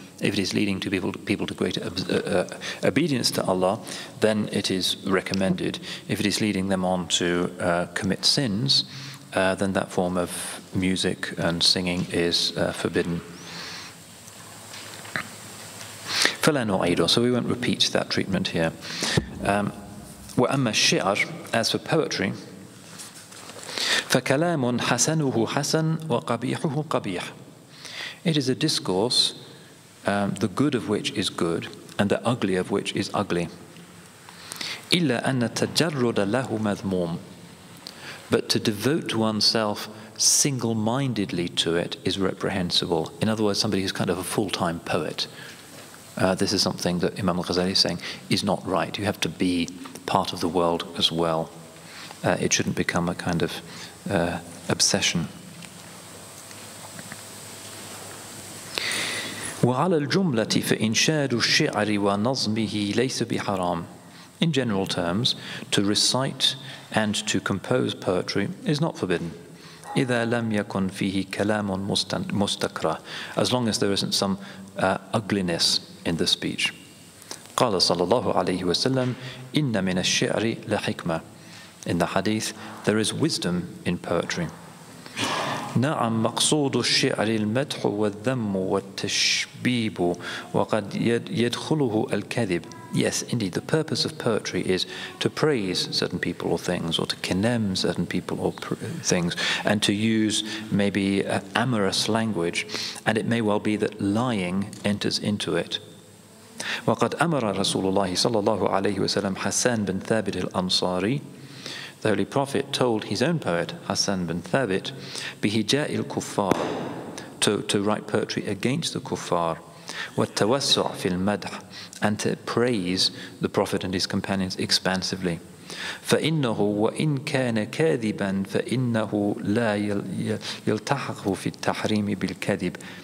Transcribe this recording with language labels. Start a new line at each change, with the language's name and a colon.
English: If it is leading to people to greater obedience to Allah, then it is recommended. If it is leading them on to commit sins, then that form of music and singing is forbidden.
Arabic: فَلَا نُعَيْدُ.
English: So we won't repeat that treatment here.
Arabic: وَأَمَّا الشِّعَرْ,
English: as for poetry,
Arabic: فَكَلَامٌ حَسَنُهُ حَسَنْ وَقَبِيحُهُ قَبِيحٌ.
English: It is a discourse, the good of which is good, and the ugly of which is ugly.
Arabic: إِلَّا أَنَّ تَجَرُّدَ لَهُ مَذْمُومٌ.
English: But to devote to oneself single-mindedly to it is reprehensible. In other words, somebody who's kind of a full-time poet. This is something that Imam al-Ghazali is saying is not right. You have to be part of the world as well. It shouldn't become a kind of obsession.
Arabic: وَعَلَى الْجُمْلَةِ فَإِنْشَادُ الشِّعْرِ وَنَظْمِهِ لَيْسَ بِحَرَامٍ.
English: In general terms, to recite and to compose poetry is not forbidden.
Arabic: إِذَا لَمْ يَكُنْ فِيهِ كَلَامٌ مُسْتَكْرَةٌ.
English: As long as there isn't some ugliness in the speech.
Arabic: قَالَ صَلَى اللَّهُ عَلَيْهِ وَسَلَّمْ إِنَّ مِنَ الشِّعْرِ لَحِكْمَةٌ.
English: In the hadith, there is wisdom in poetry.
Arabic: نعم مقصود الشعر المدح والذم والتشبيب وقد يدخله الكذب.
English: Yes, indeed, the purpose of poetry is to praise certain people or things, or to condemn certain people or things, and to use maybe amorous language, and it may well be that lying enters into it.
Arabic: وقد أمر رسول الله صلى الله عليه وسلم حسان بن ثابت الأنصاري.
English: The Holy Prophet told his own poet, Hassan bin Thabit,
Arabic: bihija'il kuffar,
English: to write poetry against the kuffar,
Arabic: wattawassu' fil madh,
English: and to praise the Prophet and his companions expansively.
Arabic: فَإِنَّهُ وَإِنْ كَانَ كَاذِبًا فَإِنَّهُ لَا يَلْتَحَقُ فِي التَّحْرِيمِ بِالْكَذِبِ.